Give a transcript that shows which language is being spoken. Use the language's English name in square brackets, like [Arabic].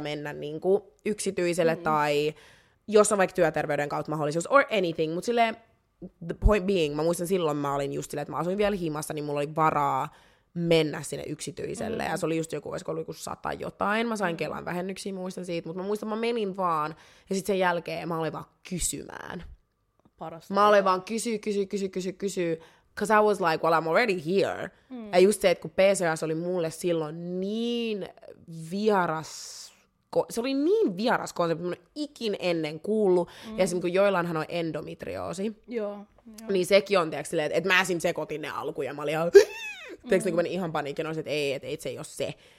[Finnish] mennä niin kuin yksityiselle tai jos on vaikka työterveyden kautta mahdollisuus [English] or anything, [Finnish] mutta silleen [English] the point being, [Finnish] mä muistan silloin mä olin just silleen, että mä asuin vielä himassa, niin mulla oli varaa mennä sinne yksityiselle ja se oli just joku, olisiko ollut joku 100 jotain, mä sain Kelan vähennyksiä, muistan siitä, mutta mä muistan, mä menin vaan ja sitten sen jälkeen mä olin vaan kysymään. Parasta. Mä olin vaan kysy. [English] Because I was like, well, I'm already here. [Finnish] Ja just se, että kun PCS oli mulle silloin niin vieras se oli niin vieras konsepti, mun ikin ennen kuullut. Mm. Ja esimerkiksi joillainhan on endometrioosi. Joo. Niin sekin on, tiedätkö, silleen, että mä esim. Sekoitin ne alkuja. Mä olin ihan, tiedätkö, niin kuin ihan paniikin, että ei, että ei, se ei ole se.